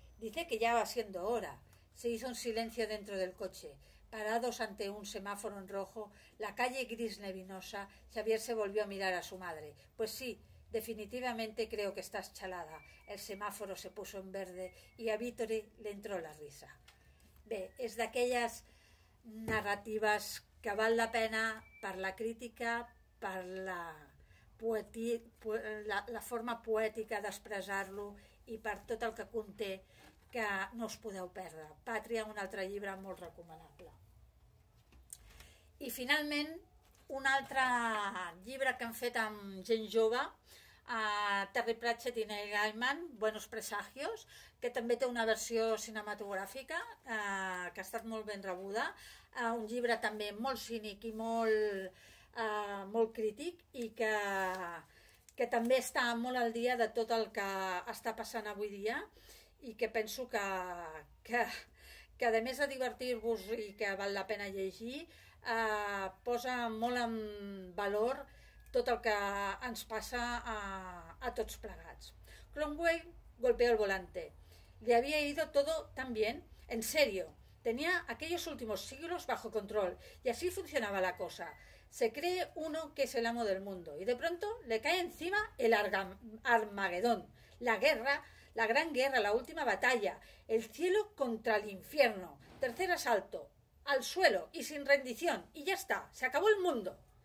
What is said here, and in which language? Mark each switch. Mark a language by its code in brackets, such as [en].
[es] Dice que ya va siendo hora. Se hizo un silencio dentro del coche. Parados ante un semáforo en rojo, la calle gris nevinosa, Xavier se volvió a mirar a su madre. Pues sí, definitivamente creo que estás chalada. El semáforo se puso en verde y a Vítore le entró la risa. [ca] Bé, és d'aquelles narratives que val la pena per la crítica, per la, la forma poètica d'expressar-lo i per tot el que conté, que no us podeu perdre. Pàtria, un altre llibre molt recomanable. I finalment, un altre llibre que hem fet amb gent jove, Terry Pratchett i Neil Gaiman, Buenos Presagios, que també té una versió cinematogràfica que ha estat molt ben rebuda, un llibre també molt cínic i molt, molt crític i que també està molt al dia de tot el que està passant avui dia i que penso que a més de divertir-vos i que val la pena llegir, posa molt en valor tot el que ens passa a tots plegats. [es] Cromwell golpeó el volante. Le había ido todo tan bien, en serio. Tenía aquellos últimos siglos bajo control y así funcionaba la cosa. Se cree uno que es el amo del mundo y de pronto le cae encima el Armagedón, la guerra, la gran guerra, la última batalla, el cielo contra el infierno, tercer asalto, al suelo y sin rendición y ya está, se acabó el mundo.